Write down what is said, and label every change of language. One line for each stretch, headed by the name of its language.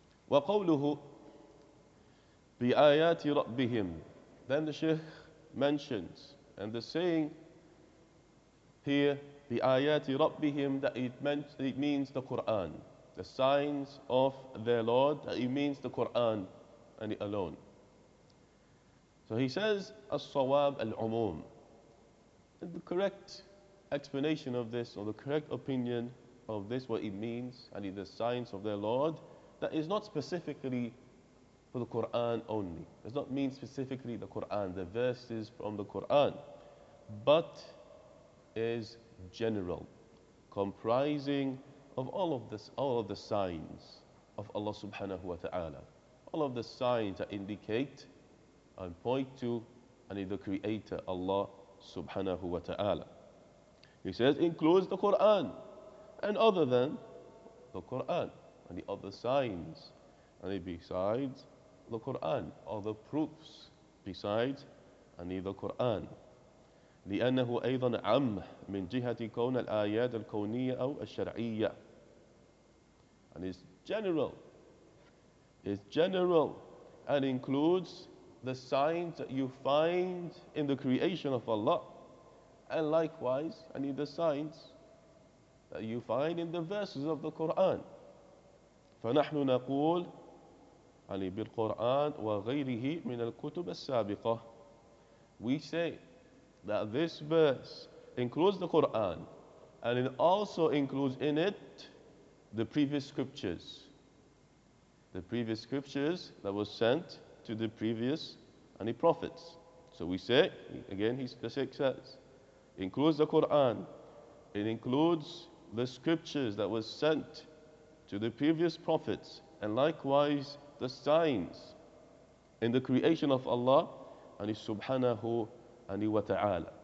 Arabic: وَقَوْلُهُ بِآيَاتِ رَبِّهِمْ.
English: Then the Sheikh mentions, and the saying here,
Arabic: بِآيَاتِ رَبِّهِمْ,
English: that it means the Qur'an, the signs of their Lord, that it means the Qur'an and it alone. So he says,
Arabic: الصواب العموم.
English: And the correct explanation of this, or the correct opinion of this, what it means, and the signs of their Lord, that is not specifically for the Qur'an only. It does not mean specifically the Qur'an, the verses from the Qur'an, but is general, comprising of all of the signs of Allah subhanahu wa ta'ala. All of the signs that indicate and point to and the Creator, Allah subhanahu wa ta'ala. He says, includes the Qur'an and other than the Qur'an. And the other signs, and besides the Quran, other proofs besides any the Quran.
Arabic: لأنه أيضا عم من جهة كون الآيات الكونية أو الشرعية.
English: And it's general and includes the signs that you find in the creation of Allah, and likewise any the signs that you find in the verses of the Quran.
Arabic: فنحن نقول علي بالقرآن وغيره من الكتب السابقة.
English: We say that this verse includes the Quran, and it also includes in it the previous scriptures that was sent to the previous and the prophets. So we say again, the Sheikh says, includes the Quran, it includes the scriptures that was sent to the previous prophets, and likewise the signs in the creation of Allah and his subhanahu wa ta'ala.